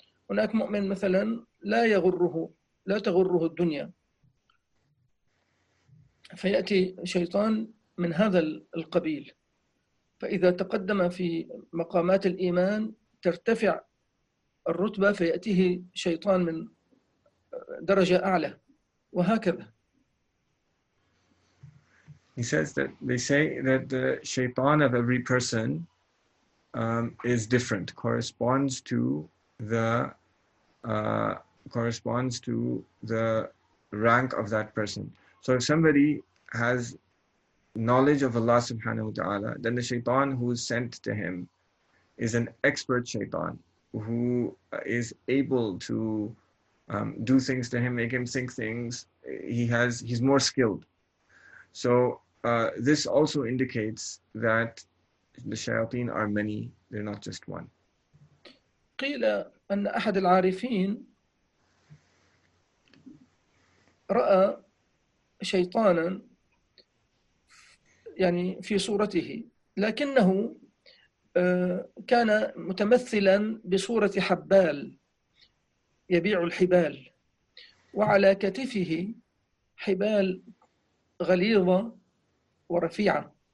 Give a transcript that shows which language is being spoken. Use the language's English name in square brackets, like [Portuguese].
[Arabic] هناك مؤمن مثلا لا تغره الدنيا، فيأتي شيطان من هذا القبيل. فإذا تقدم في مقامات الإيمان ترتفع الرتبة، فيأتيه شيطان من درجة أعلى، وهكذا. [English] He says that they say that the shaitan of every person is different, corresponds to the corresponds to the rank of that person. So if somebody has knowledge of Allah subhanahu wa ta'ala, then the shaitan who is sent to him is an expert shaitan who is able to do things to him, make him think things. He's more skilled. So this also indicates that the shayateen are many, they're not just one. [Arabic] قيل أن أحد العارفين رأى شيطانا يعني في صورته، لكنه كان متمثلا بصورة حبال يبيع الحبال، وعلى كتفه حبال غليظة ورفيعة.